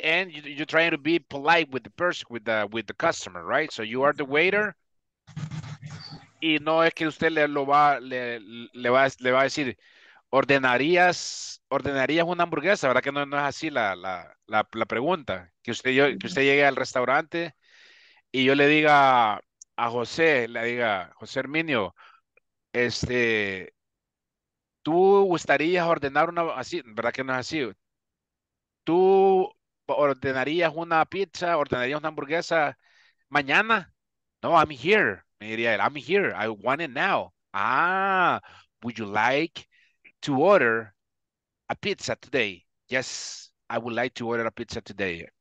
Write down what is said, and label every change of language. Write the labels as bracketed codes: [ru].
[en] And you're trying to be polite with the person, with the customer, right? So you are the waiter. [es] Y no es que usted le va a decir. ¿Ordenarías una hamburguesa? ¿Verdad que no es así la pregunta? Que usted llegue al restaurante y yo le diga, a José, le diga, José Herminio, ¿tú gustarías ordenar una, así, verdad que no es así? ¿Tú ordenarías una pizza, ordenarías una hamburguesa mañana? [en] No, I'm here, [es] me diría él, [en] I'm here, I want it now. Ah, would you like to order a pizza today? Yes, I would like to order a pizza today.